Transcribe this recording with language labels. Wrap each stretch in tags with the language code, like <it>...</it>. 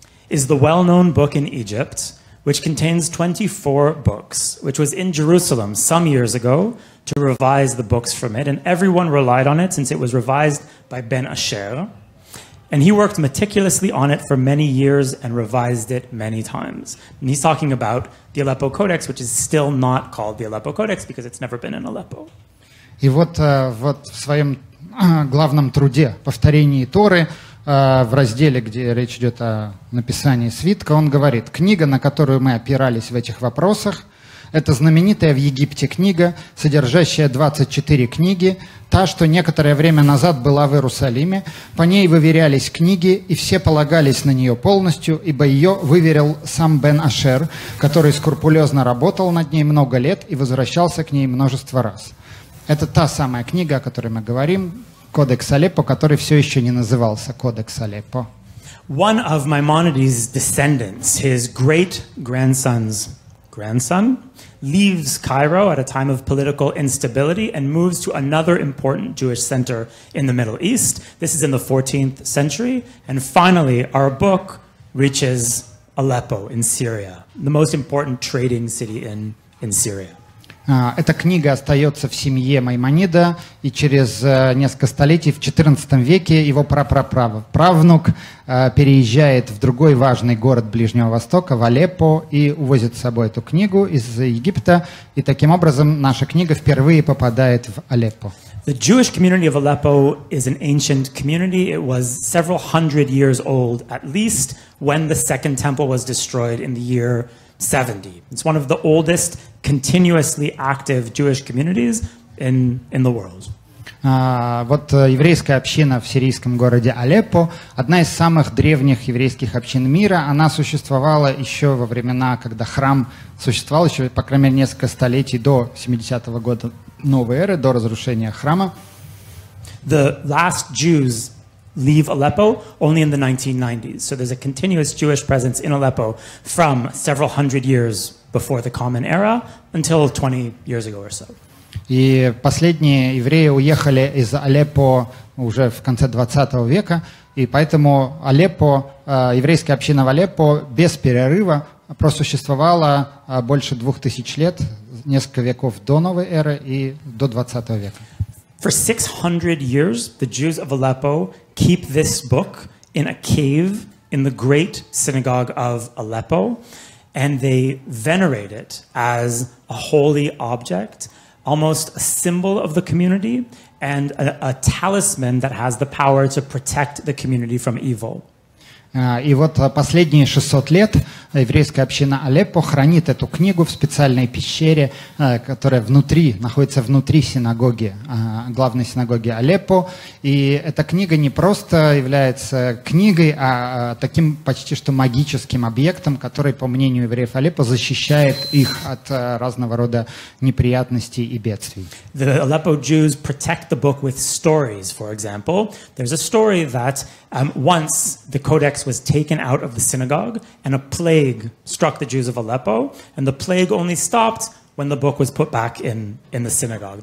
<en>is the well-known book in Egypt, which contains 24 books, which was in Jerusalem some years ago to revise the books from it, and everyone relied on it since it was revised by Ben Asher, and he worked meticulously on it for many years and revised it many times. And he's talking about the Aleppo Codex, which is still not called the Aleppo Codex because it's never been in Aleppo.</en> <ru>И вот в своем главном труде, повторении Торы, в разделе, где речь идет о написании свитка, он говорит: «Книга, на которую мы опирались в этих вопросах, это знаменитая в Египте книга, содержащая 24 книги, та, что некоторое время назад была в Иерусалиме. По ней выверялись книги, и все полагались на нее полностью, ибо ее выверил сам Бен Ашер, который скрупулезно работал над ней много лет и возвращался к ней множество раз». Это та самая книга, о которой мы говорим, Кодекс Алеппо, который все еще не назывался Кодекс Алеппо.</ru> <en>One of Maimonides' descendants, his great-grandson's grandson, leaves Cairo at a time of political instability and moves to another important Jewish center in the Middle East. This is in the 14th century. And finally, our book reaches Aleppo in Syria, the most important trading city in Syria.</en> <ru>Эта книга остается в семье Маймонида, и через несколько столетий, в 14 веке, его праправнук переезжает в другой важный город Ближнего Востока, в Алеппо, и увозит с собой эту книгу из Египта, и таким образом наша книга впервые попадает в Алеппо.</ru> <en>The Jewish community of Aleppo is an ancient community. It was several hundred years old, at least, when the Second Temple was destroyed in the year 70. It's one of the oldest continuously active Jewish communities in the world.</en> <ru>Вот еврейская община в сирийском городе Алеппо, одна из самых древних еврейских общин мира, она существовала еще во времена, когда храм существовал, еще, по крайней мере, несколько столетий до 70-го года новой эры, до разрушения храма.</ru> <en>The last Jews leave Aleppo only in the 1990s. So there's a continuous Jewish presence in Aleppo from several hundred years before the Common Era until 20 years ago or so.</en> <ru>И последние евреи уехали из Алеппо уже в конце 20 века, и поэтому Алеппо, еврейская община в Алеппо без перерыва просуществовала больше 2000 лет, несколько веков до новой эры и до 20 века.</ru> <en>For 600 years, the Jews of Aleppo keep this book in a cave in the great synagogue of Aleppo, and they venerate it as a holy object, almost a symbol of the community, and a talisman that has the power to protect the community from evil.</en> <ru>И вот последние 600 лет еврейская община Алеппо хранит эту книгу в специальной пещере, которая внутри, находится внутри синагоги, главной синагоги Алеппо. И эта книга не просто является книгой, а таким почти что магическим объектом, который, по мнению евреев Алеппо, защищает их от разного рода неприятностей и бедствий.</ru> <en>The Aleppo Jews protect the book with stories, for example. There's a story that once the Codex was taken out of the synagogue and a plague struck the Jews of Aleppo, and the plague only stopped when the book was put back in the synagogue.</en>